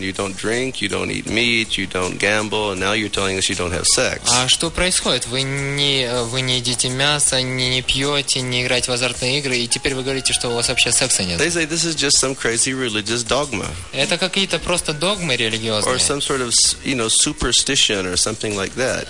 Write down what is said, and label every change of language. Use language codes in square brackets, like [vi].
[en] You don't drink, you don't eat meat, you don't gamble, and now you're telling us you don't have sex. [ru] А что происходит? Вы не едите мясо, не пьете, не играете в азартные игры, и теперь вы говорите, что у вас вообще секса нет. [en] They say this is just some crazy religious dogma. [ru] Это какие-то просто догмы религиозные. [en] Or some sort of, you know, superstition or something like that.